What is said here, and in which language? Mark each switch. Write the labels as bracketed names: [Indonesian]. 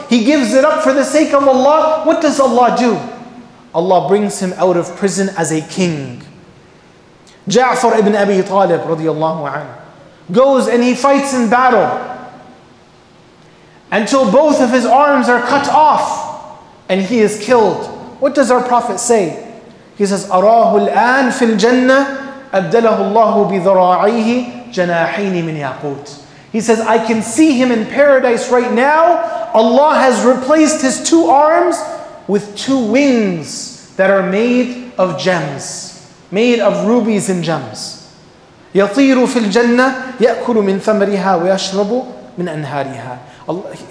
[English] He gives it up for the sake of Allah. What does Allah do? Allah brings him out of prison as a king. Ja'far ibn Abi Talib radiallahu anhu goes and he fights in battle until both of his arms are cut off and he is killed. What does our Prophet say? He says, [Arabic] أَرَاهُ الْآنْ فِي الْجَنَّةِ أَبْدَلَهُ اللَّهُ بِذَرَاعِيهِ جَنَاحِينِ مِنْ يَاقُوتِ. [English] He says, I can see him in paradise right now. Allah has replaced his two arms with two wings that are made of gems, made of rubies and gems. [Arabic] يَطِيرُ فِي الْجَنَّةِ يَأْكُلُ مِنْ ثَمَرِهَا وَيَشْرَبُ مِنْ أَنْهَارِهَا.